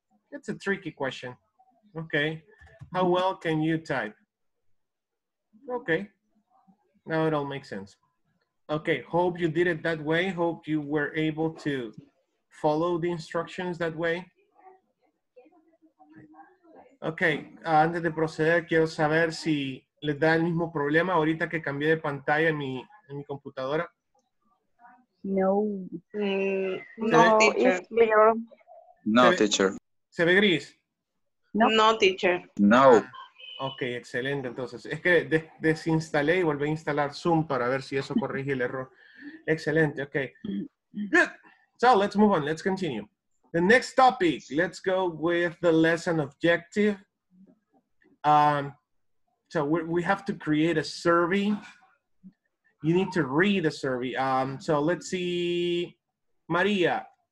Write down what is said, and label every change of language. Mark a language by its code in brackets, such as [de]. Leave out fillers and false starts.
[en] That's a tricky question. Okay, how well can you type? Okay, now it all makes sense. Okay, hope you did it that way. Hope you were able to follow the instructions that way. [es] Okay, antes de proceder, quiero saber si les da el mismo problema ahorita que cambié de pantalla en mi computadora. No. [en] No, teacher. No, teacher. [es] ¿Se ve gris? [en] No, teacher. [es] No. Ok, excelente. Entonces, es que desinstalé y volví a instalar Zoom para ver si eso corrige el error. [en] Excelente, ok. Good. So, let's move on. Let's continue. The next topic, let's go with the lesson objective. So we have to create a survey. You need to read a survey. So let's see, Maria.